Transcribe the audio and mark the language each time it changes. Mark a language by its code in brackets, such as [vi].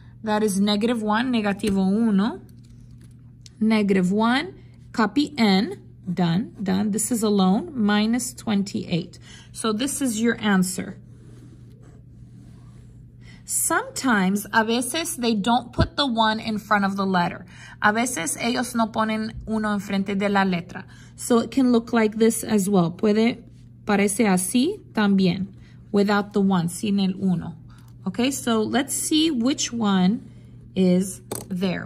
[en] That is negative 1, [es] negativo 1. [en] Negative 1. Copy n, done, done. This is alone, minus 28. So this is your answer. Sometimes, [es] a veces, [en] they don't put the 1 in front of the letter. [es] A veces, ellos no ponen uno enfrente de la letra. [en] So it can look like this as well. [es] Puede parece así también, [en] without the 1, [es] sin el 1. [en] Okay, so let's see which one is there.